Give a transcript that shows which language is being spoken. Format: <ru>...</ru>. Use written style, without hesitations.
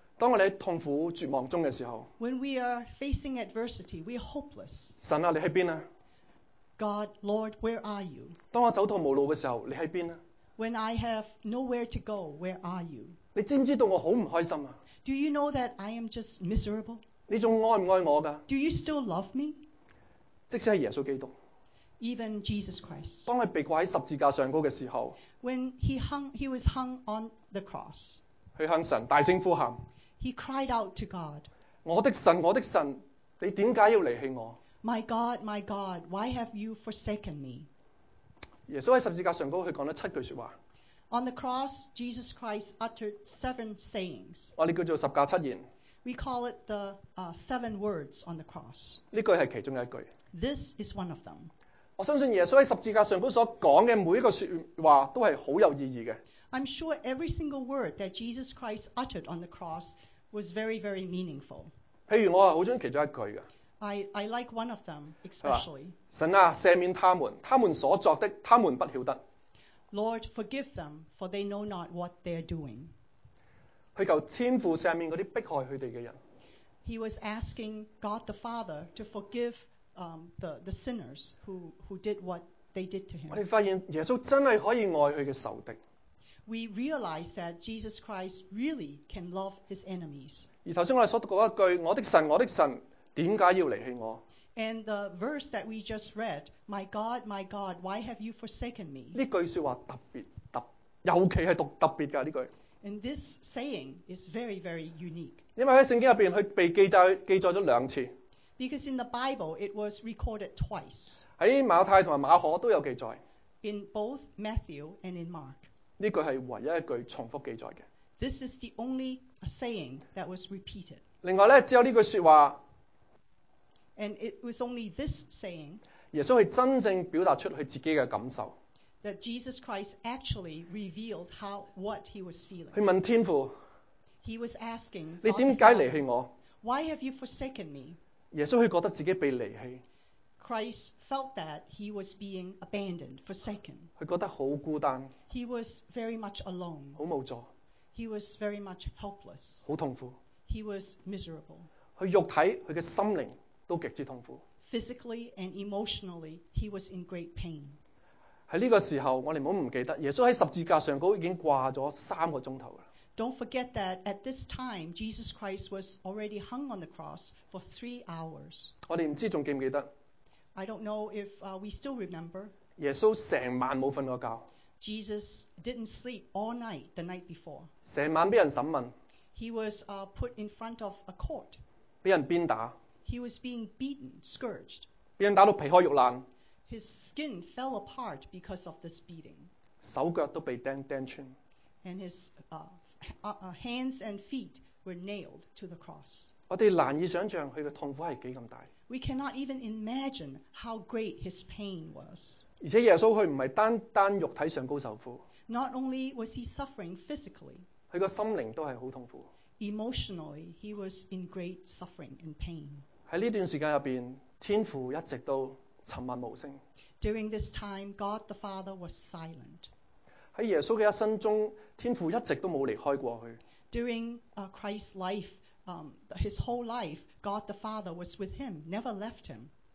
<zh>当我们在痛苦绝望中的时候，</zh> <en>When we are facing adversity, we are hopeless.</en> <zh>神啊，你在哪里？</zh> <en>God, Lord, where are you?</en> <zh>当我走投无路的时候，你在哪里？</zh> <en>When I have nowhere to go, where are you?</en> <zh>你知不知道我很不开心啊？</zh> <en>Do you know that I am just miserable?</en> <zh>你还爱不爱我的？</zh> <en>Do you still love me?</en> <zh>即使是耶稣基督，</zh> <en>Even Jesus Christ.</en> <zh>当他被挂在十字架上的时候，</zh> <en>When he was hung on the cross,</en> <zh>他向神大声呼喊。</zh> <en>He cried out to God,</en> <zh>我的神，我的神，你为什么要离弃我？</zh> <en>My God, my God, why have you forsaken me?</en> <zh>耶稣在十字架上说了七句说话。</zh> <en>On the cross, Jesus Christ uttered seven sayings.</en> <zh>我们叫做十架七言。</zh> <en>We call it the seven words on the cross.</en> <zh>这句是其中一句。</zh> <en>This is one of them.</en> <zh>我相信耶稣在十字架上所说的每一个说话都是很有意义的。</zh> <en>I'm sure every single word that Jesus Christ uttered on the cross was very, very meaningful.</en> <zh>譬如我很喜欢其中一句。</zh> <en>I like one of them, especially.</en> <zh>神啊，赦免他们，他们所作的，他们不晓得。</zh> <en>Lord, forgive them, for they know not what they're doing.</en> <zh>去求天父赦免那些迫害他们的人。</zh> <en>He was asking God the Father to forgive the sinners who did what they did to him.</en> <zh>我们发现耶稣真的可以爱他的仇敌。</zh> <en>We realize that Jesus Christ really can love his enemies.</en> <zh>而刚才我们所读的一句，我的神，我的神，为什么要离弃我？</zh> <en>And the verse that we just read, My God, my God, why have you forsaken me?</en> <zh>这句说话特别，尤其是读特别的这句。</zh> <en>And this saying is very, very unique.</en> <zh>因为在圣经里面，它被记载了两次。</zh> <en>Because in the Bible, it was recorded twice.</en> <zh>在马太和马可都有记载。</zh> <en>In both Matthew and in Mark.</en> <zh>这句是唯一一句重复记载的。</zh> <en>This is the only saying that was repeated.</en> <zh>另外呢，只有这句说话。</zh> <en>And it was only this saying.</en> <zh>耶稣是真正表达出他自己的感受。</zh> <en>That Jesus Christ actually revealed what he was feeling.</en> <zh>他问天父。</zh> <en>He was asking,</en> <zh>你为什么离弃我？</zh> <en>Why have you forsaken me?</en> <zh>耶稣他觉得自己被离弃。</zh> <en>Christ felt that he was being abandoned, forsaken.</en> <zh>他觉得很孤单。</zh> <en>He was very much alone.</en> <zh>很无助。</zh> <en>He was very much helpless.</en> <zh>很痛苦。</zh> <en>He was miserable.</en> <zh>他肉体，他的心灵都极之痛苦。</zh> <en>Physically and emotionally, he was in great pain.</en> <zh>在这个时候，我们不要忘记，耶稣在十字架上已经挂了三个钟头了。</zh> <en>Don't forget that at this time, Jesus Christ was already hung on the cross for 3 hours.</en> <zh>我们不知道还记不记得。</zh> <en>I don't know if we still remember.</en> <zh>耶稣整晚没睡过觉。</zh> <en>Jesus didn't sleep all night the night before.</en> <zh>整晚被人审问。</zh> <en>He was put in front of a court.</en> <zh>被人鞭打。</zh> <en>He was being beaten, scourged.</en> <zh>被人打到皮开肉烂。</zh> <en>His skin fell apart because of this beating.</en> <zh>手脚都被钉穿。</zh> <en>And his hands and feet were nailed to the cross.</en> <zh>我们难以想象他的痛苦是多么大。</zh> <en>We cannot even imagine how great his pain was.</en> <zh>而且耶稣他不是单肉体上高受苦。</zh> <en>Not only was he suffering physically,</en> <zh>他的心灵都是很痛苦。</zh> <en>Emotionally, he was in great suffering and pain.</en> <zh>在这段时间里面，天父一直都沉默无声。</zh> <en>During this time, God the Father was silent.</en> <zh>在耶稣的一生中，天父一直都没有离开过他。</zh> <en>During Christ's life, his whole life,God the Father was with him, never left him.</en>